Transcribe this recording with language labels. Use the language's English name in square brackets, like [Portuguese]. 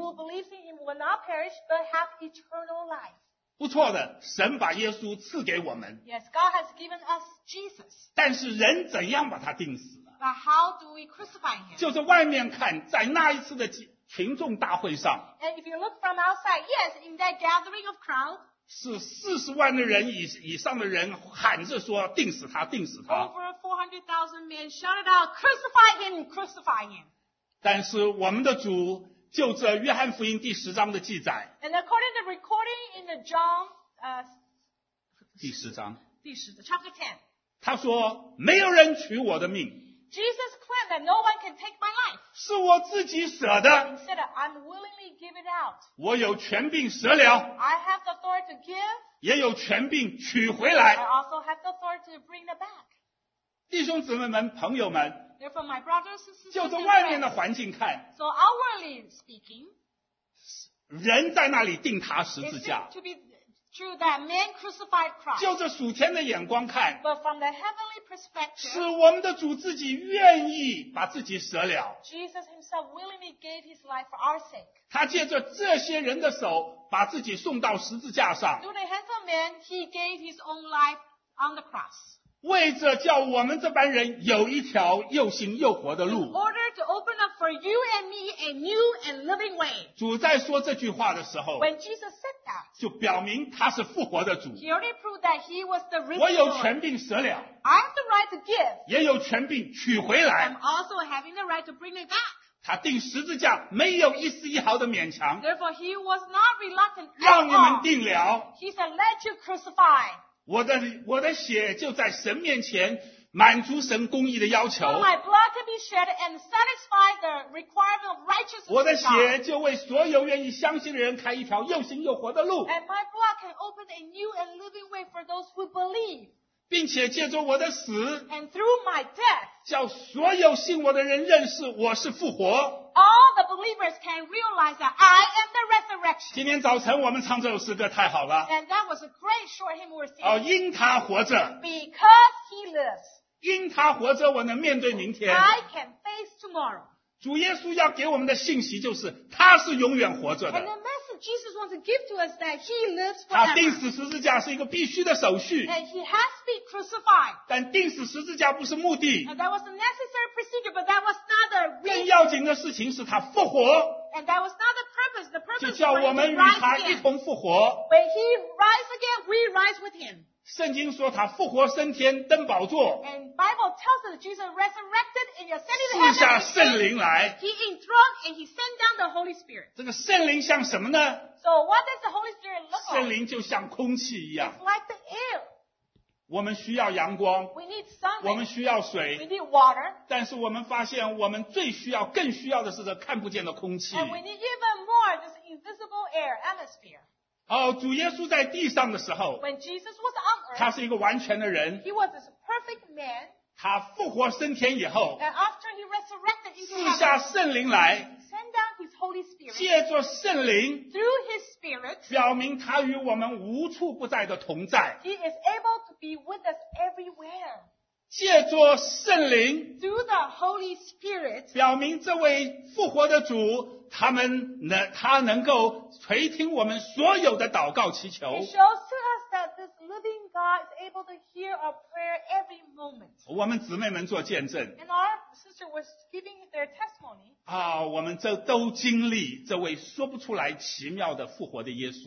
[English] But he who believes in him will not perish, but have eternal life. [Chinese] 不错的神把耶稣赐给我们 [English] yes, God has given us Jesus. [Chinese] 但是人怎样把他钉死了 [English] But how do we crucify him? [Chinese] 就是外面看在那一次的群众大会上 [English] And if you look from outside, yes, in that gathering of crowd, [Chinese] 是40万的人以上的人喊着说钉死他钉死他 [English] Over 400,000 men shouted out, crucify him, crucify him. [Chinese] 但是我们的主就这约翰福音第十章的记载 [English] And according to the recording in the John, [Chinese] 第十章第十章 [English] chapter 10, [Chinese] 他说没有人取我的命 [English] Jesus claimed that no one can take my life. [Chinese] 是我自己舍的。 [English] Instead, I'm willingly give it out. [Chinese] 我有权柄舍了。 [English] I have the authority to give. [Chinese] 也有权柄取回来。 [English] I also have the authority to bring it back. [Chinese] 弟兄姊妹们，朋友们。 [English] Therefore, my brothers and sisters. [Chinese] 就从外面的环境看。 [English] So outwardly speaking, [Chinese] 人在那里钉他十字架。 [English] Through that man crucified Christ. [Chinese] 就这属天的眼光看 [English] But from the heavenly perspective, [Chinese] 是我们的主自己愿意把自己舍了 [English] Jesus himself willingly gave his life for our sake. [Chinese] 他借着这些人的手把自己送到十字架上 [English] Through the hands of man, he gave his own life on the cross. [Chinese] 为着叫我们这般人有一条又行又活的路 [English] In order to open up for you and me a new and living way. [Chinese] 主在说这句话的时候 [English] When Jesus said that, [Chinese] 就表明他是复活的主 [English] He already proved that he was the risen Lord. [Chinese] 我有权柄舍了 [English] I have the right to give [Chinese] 也有权柄取回来 [English] I'm also having the right to bring it back [Chinese] 他钉十字架没有一丝一毫的勉强 [English] Therefore he was not reluctant at all [Chinese] 让你们定了 [English] He said let you crucify [Chinese] 我的血就在神面前满足神公义的要求。 [English] My blood can be shed and satisfy the requirement of righteousness. [Chinese] 我的血就为所有愿意相信的人开一条又新又活的路。 [English] And my blood can open a new and living way for those who believe. [Chinese] 并且借着我的死 [English] and through my death, [Chinese] 叫所有信我的人认识我是复活。 [English] All the believers can realize that I am the resurrection. [Chinese] 今天早晨我们唱这首诗歌太好了。 [English] And that was a great short hymn we're singing. [Chinese] 因他活着。 [English] Because he lives. [Chinese] 因他活着我能面对明天。 [English] I can face tomorrow. [Chinese] 主耶稣要给我们的信息就是他是永远活着的。 [English] And the message Jesus wants to give to us that he lives forever. [Chinese] 他钉死十字架是一个必须的手续。 [English] And he has to be crucified. [Chinese] 但钉死十字架不是目的。 [English] And that was a necessary procedure, but that was not the reason. [Chinese] 更要紧的事情是他复活。 [English] And that was not the purpose. The purpose [Chinese] 就叫我们与他一同复活。 [English] When he rise again, we rise with him. [Chinese] 圣经说他复活升天登宝座。 [English] And Bible tells us that Jesus resurrected and he ascended to heaven. [Chinese] 赐下圣灵来。 [English] He enthroned and he sent down the Holy Spirit. [Chinese] 这个圣灵像什么呢？ [English] So what does the Holy Spirit look like? [Chinese] 圣灵就像空气一样。 [English] It's like the air. [Chinese] 我们需要阳光。 [English] We need sunlight. [Chinese] 我们需要水。 [English] We need water. [Chinese] 但是我们发现我们最需要更需要的是这看不见的空气。 [English] And we need even more this invisible air, atmosphere. [Chinese] 哦，主耶稣在地上的时候 [English] When Jesus was on earth, [Chinese] 他是一个完全的人 [English] he was a perfect man, [Chinese] 他复活升天以后 [English] and after he resurrected, he [Chinese] 赐下圣灵来 [English] send down his Holy Spirit, [Chinese] 借着圣灵 [English] through his Spirit, [Chinese] 表明他与我们无处不在的同在 [English] he is able to be with us everywhere. [Chinese] 借着圣灵 [English] through the Holy Spirit, [Chinese] 表明这位复活的主他能够垂听我们所有的祷告祈求 [English] It shows to us that this living God is able to hear our prayer every moment. [Chinese] 我们姊妹们做见证 [English] And our sister was giving their testimony. [Chinese] 啊，我们这都经历这位说不出来奇妙的复活的耶稣